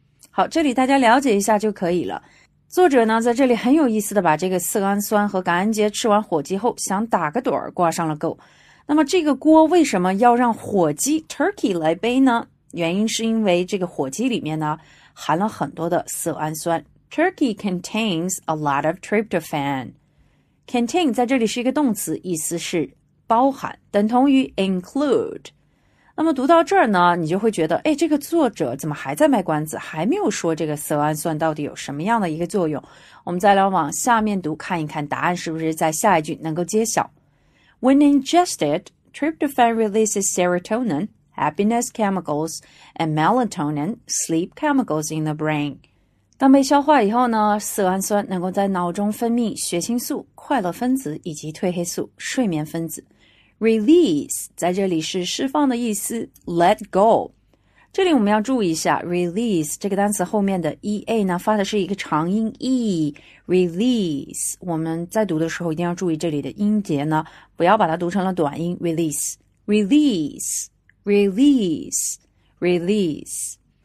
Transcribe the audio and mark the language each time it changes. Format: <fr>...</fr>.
<zh>好，这里大家了解一下就可以了。作者呢在这里很有意思的把这个色氨酸和感恩节吃完火鸡后想打个盹儿挂上了钩。那么这个锅为什么要让火鸡 turkey 来背呢？原因是因为这个火鸡里面呢含了很多的色氨酸。</zh> <en>Turkey contains a lot of tryptophan.</en> <zh>Contain 在这里是一个动词，意思是包含，等同于 include。那么读到这儿呢你就会觉得，哎，这个作者怎么还在卖关子，还没有说这个色氨酸到底有什么样的一个作用。我们再来往下面读，看一看答案是不是在下一句能够揭晓。</zh> <en>When ingested, tryptophan releases serotonin, happiness chemicals, and melatonin, sleep chemicals in the brain.</en> <zh>当被消化以后呢，色氨酸能够在脑中分泌血清素、快乐分子以及褪黑素、睡眠分子。Release 在这里是释放的意思 ，let go。这里我们要注意一下 release 这个单词后面的 ea 呢发的是一个长音 e release 我们在读的时候一定要注意这里的音节呢不要把它读成了短音 release release release release</zh>